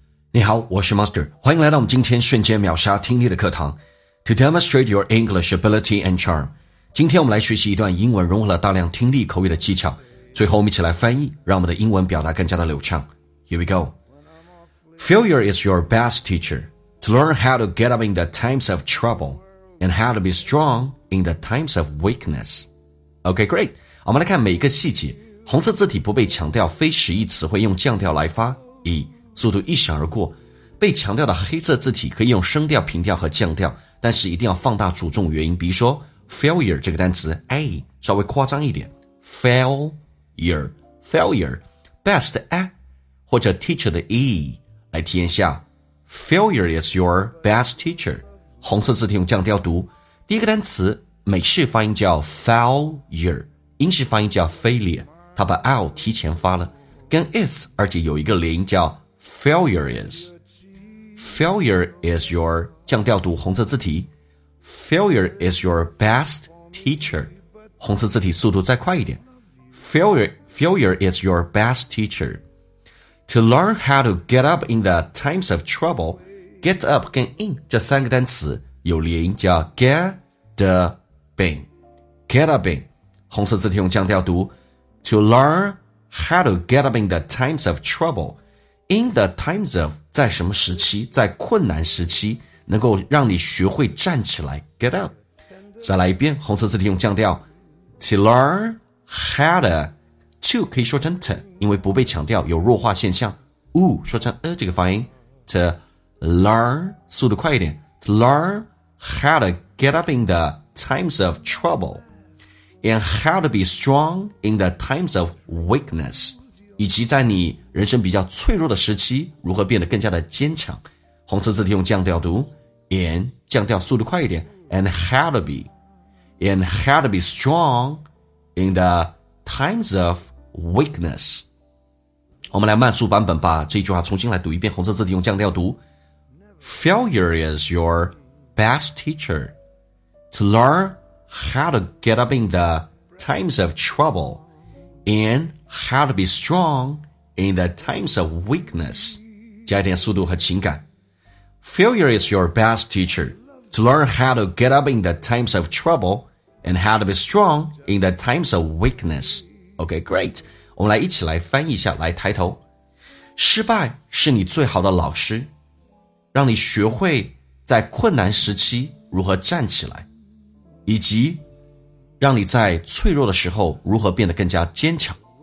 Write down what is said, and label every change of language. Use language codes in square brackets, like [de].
[zh] 你好，我是 Master， 欢迎来到我们今天瞬间秒杀听力的课堂。 [en] To demonstrate your English ability and charm， [zh] 今天我们来学习一段英文融合了大量听力口语的技巧，最后我们一起来翻译，让我们的英文表达更加的流畅。 [en] Here we go. Failure is your best teacher to learn how to get up in the times of trouble and how to be strong in the times of weakness. Okay, great. [zh] 我们来看每一个细节。红色字体不被强调，非实义词汇用降调来发以速度一闪而过，被强调的黑色字体可以用升调、平调和降调，但是一定要放大主重元音。比如说 failure 这个单词 A 稍微夸张一点 failure best A 或者 teacher 的 E 来体验一下。 [en] Failure is your best teacher， [zh] 红色字体用降调读。第一个单词美式发音叫 failure， 英式发音叫 failure， 它把 L 提前发了，跟 is 而且有一个连音叫 [en] Failure is your [zh] 降调读红色字体。 [en] Failure is your best teacher， [zh] 红色字体速度再快一点。 [en] Failure is your best teacher. To learn how to get up in the times of trouble, get up [zh] 跟 [en] in [zh] 这三个单词有连音叫 [en] get up in， [zh] 红色字体用降调读。 [en] To learn how to get up in the times of trouble. In the times of, [zh] 在什么时期，在困难时期，能够让你学会站起来 , [en] get up. [zh] 再来一遍，红色字体用降调。 [en] To learn how to [zh] 可以说成 to, 因为不被强调有弱化现象。 Ooh, 说成这个发音。 [en] To learn, [zh] 速度快一点。 [en] To learn how to get up in the times of trouble, and how to be strong in the times of weakness. [zh] 以及在你人生比较脆弱的时期如何变得更加的坚强，红色字体用降调读。 [en] And [zh] 降调速度快一点， [en] And how to be strong in the times of weakness。 [zh] 我们来慢速版本把这句话重新来读一遍，红色字体用降调读。 [en] Failure is your best teacher to learn how to get up in the times of trouble andHow to be strong in the times of weakness. [zh] 加一点速度和情感。 [en] Failure is your best teacher to learn how to get up in the times of trouble and how to be strong in the times of weakness. Okay, great. [zh] 我们来一起来翻译一下，来抬头。失败是你最好的老师，让你学会在困难时期如何站起来，以及让你在脆弱的时候如何变得更加坚强。